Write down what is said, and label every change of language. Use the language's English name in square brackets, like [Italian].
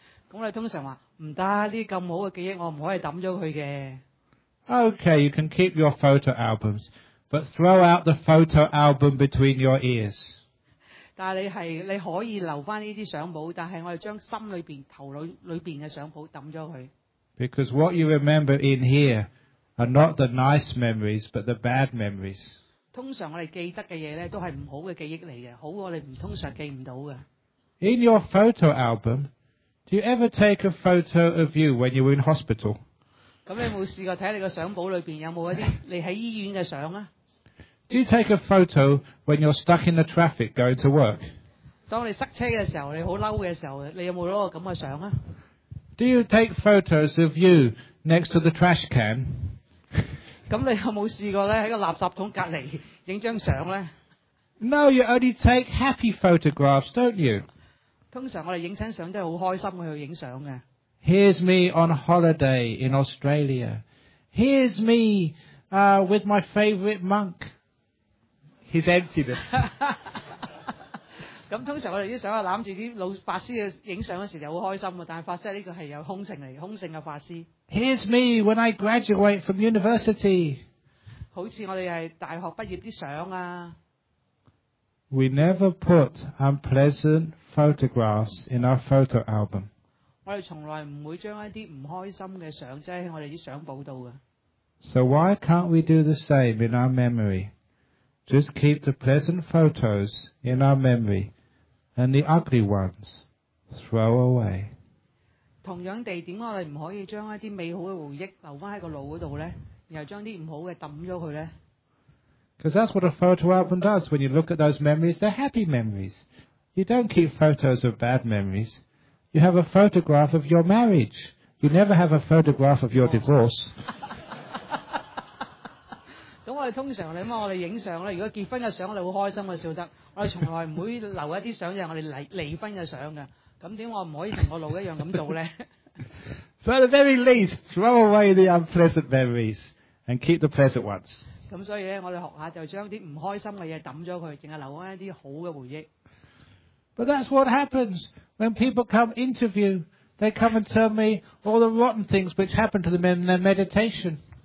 [Cantonese] 咁我哋通常话唔得，呢咁好嘅记忆，我唔可以抌咗佢嘅。 [English] Okay, you can keep your photo albums, but throw out the photo album between your ears. [Cantonese] 但系你可以留翻呢啲相簿，但系我哋将心里边、头脑里边嘅相簿抌咗佢。 [English] Because what you remember in here are not the nice memories, but the bad memories. [Cantonese] 通常我哋记得嘅嘢咧，都系唔好嘅记忆嚟嘅，好我哋唔通常记唔到嘅。 [English] In your photo album, do you ever take a photo of you when you were in hospital? [Cantonese] 咁你有冇试过睇你个相簿里边有冇一啲你喺医院嘅相啊？ [English] Do you take a photo when you're stuck in the traffic going to work? [Cantonese] 当你塞车嘅时候，你好嬲嘅时候，你有冇攞个咁嘅相啊 [English] ？Do you take photos of you next to the trash can? [Cantonese] 咁你有冇试过咧喺个垃圾桶隔篱影张相咧 [English] ？No, you only take happy photographs, don't you? [Cantonese] 通常我哋影亲相都系好开心去影相嘅。 [English] Here's me on holiday in Australia. Here's me with my favourite monk. His emptiness. [Cantonese] 咁通常我哋啲相啊揽住啲老法师嘅影相嗰时就好开心啊，但系法师呢个系有空性嚟，空性嘅法师。 [English] Here's me when I graduate from university. [Cantonese] 好似我哋系大学毕业啲相啊。 [English] We never put unpleasant photographs in our photo album. [Cantonese] 我哋从来唔会将一啲唔开心嘅相挤喺我哋啲相簿度噶。 [English] So why can't we do the same in our memory? Just keep the pleasant photos in our memory, and the ugly ones throw away. [Cantonese] 同样地，点解我哋唔可以将一啲美好嘅回忆留翻喺个脑嗰度咧？然后将啲唔好嘅抌咗佢咧？ [English] Because that's what a photo album does. When you look at those memories, they're happy memories. You don't keep photos of bad memories. You have a photograph of your marriage. You never have a photograph of your divorce. [Cantonese] 咁我哋通常咧，我哋影相咧，如果结婚嘅相，我哋好开心嘅笑得。我哋从来唔会留一啲相就系我哋离婚嘅相嘅。咁点我唔可以同我老一样咁做咧？ [English] So at the very least, throw away the unpleasant memories and keep the pleasant ones. [Cantonese] 咁所以咧，我哋学下就将啲唔开心嘅嘢抌咗佢，净系留翻一啲好嘅回忆。 [English] But that's what happens when people come interview. They come and tell me all the rotten things which happened to them in their meditation.